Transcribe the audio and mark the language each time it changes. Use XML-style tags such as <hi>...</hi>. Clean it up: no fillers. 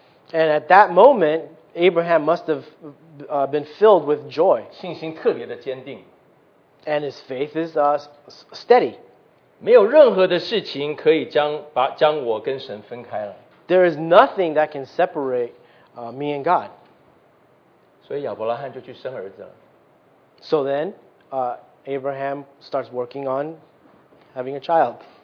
<en>And at that moment, Abraham must have been filled with joy.</en> <zh>信心特别的坚定。</zh> <en>And his faith is steady.</en> <zh>没有任何的事情可以将我跟神分开了。</zh> <en>There is nothing that can separate me and God.</en> <zh>所以亚伯拉罕就去生儿子了。</zh> <en>So then, Abraham starts working on having a child.</en>